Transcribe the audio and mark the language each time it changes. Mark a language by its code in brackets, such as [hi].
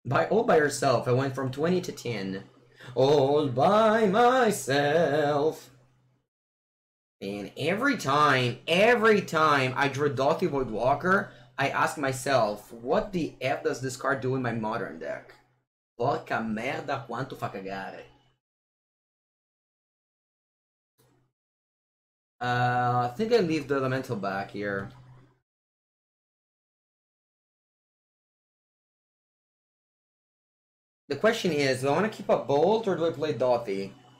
[en] All by yourself, I went from 20 to 10. All by myself. And every time I drew Dauthi Voidwalker, I ask myself, what the F does this card do in my modern deck? [it] Porca merda, quanto fa cagare. [en] I think I leave the elemental back here. The question is, do I want to keep a Bolt or do I play Dauthi?